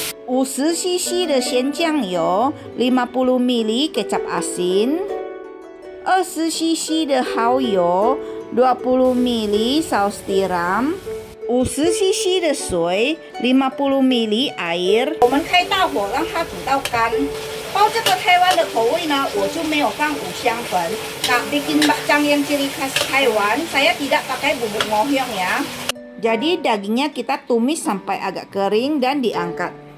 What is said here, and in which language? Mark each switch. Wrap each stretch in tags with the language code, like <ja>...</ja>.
<zh>50cc 的鲜酱油 ，</zh> <id>50 ml kecap asin，</id> <zh>20cc 的蚝油 ，</zh> <id>20 ml saus tiram，</id> <zh>50cc 的水 ，</zh> <id>50 ml air。</id> <zh>我们开大火让它煮到干。包这个台湾的口味呢，我就没有放五香粉。</zh> <id>那 bikin bakcang yang ciri khas Taiwan， saya tidak pakai bubuk ngohyong ya。 Jadi dagingnya kita tumis sampai agak kering dan diangkat.</id>